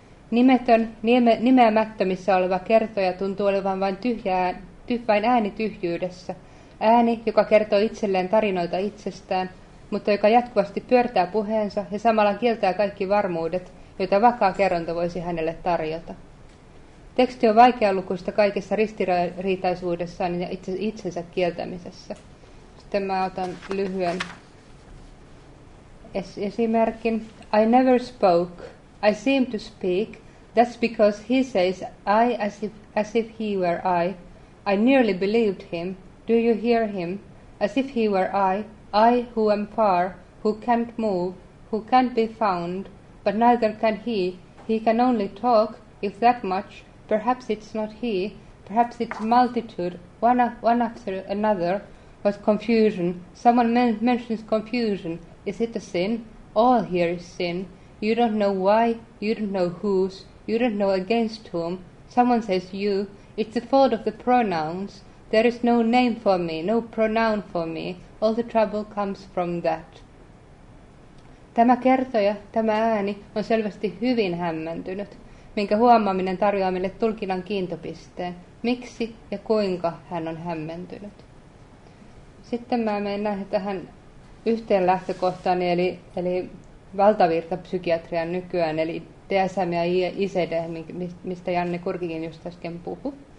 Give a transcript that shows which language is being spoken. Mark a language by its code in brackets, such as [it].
[fi] Nimetön, nimeämättömissä oleva kertoja tuntuu olevan vain ääni tyhjyydessä, ääni, joka kertoo itselleen tarinoita itsestään, mutta joka jatkuvasti pyörtää puheensa ja samalla kieltää kaikki varmuudet, joita vakaa kerronta voisi hänelle tarjota. Teksti on vaikealukuista kaikessa ristiriitaisuudessaan ja itsensä kieltämisessä. Sitten mä otan lyhyen esimerkin. [en] I never spoke. I seem to speak. That's because he says I as if he were I. I nearly believed him. Do you hear him? As if he were I who am far, who can't move, who can't be found, but neither can he. He can only talk, if that much. Perhaps it's not he, perhaps it's a multitude, one after another. What confusion? Someone mentions confusion. Is it a sin? All here is sin. You don't know why, you don't know whose, you don't know against whom. Someone says you. It's the fault of the pronouns. There is no name for me, no pronoun for me. All the trouble comes from that. [fi] Tämä kertoja, tämä ääni, on selvästi hyvin hämmentynyt, minkä huomaaminen tarjoaa meille tulkinnan kiintopisteen. Miksi ja kuinka hän on hämmentynyt? Sitten mä menen tähän yhteen lähtökohtaan, eli valtavirtapsykiatrian nykyään, eli DSM ja ICD, mistä Janne Kurkikin just äsken puhui.